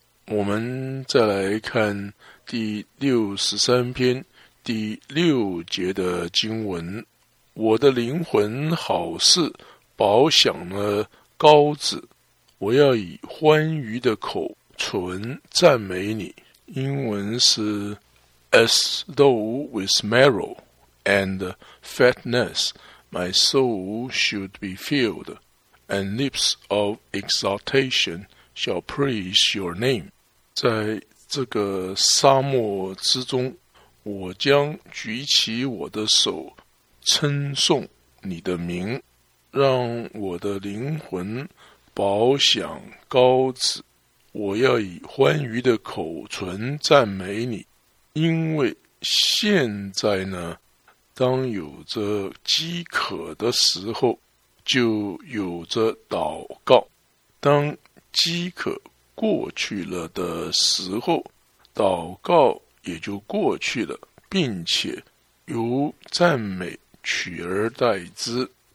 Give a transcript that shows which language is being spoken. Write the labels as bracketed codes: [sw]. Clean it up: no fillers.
[zh] 我们再来看第63篇第六节的经文：我的灵魂好似饱享了膏子，我要以欢愉的口唇赞美你。英文是 [en] As though with marrow and fatness, my soul should be filled, and lips of exultation shall praise your name. [zh] 在这个沙漠之中，我将举起我的手，称颂你的名，让我的灵魂饱享膏子。我要以欢愉的口唇赞美你，因为现在呢，当有着饥渴的时候，就有着祷告；当饥渴过去了的时候，祷告也就过去了，并且由赞美取而代之。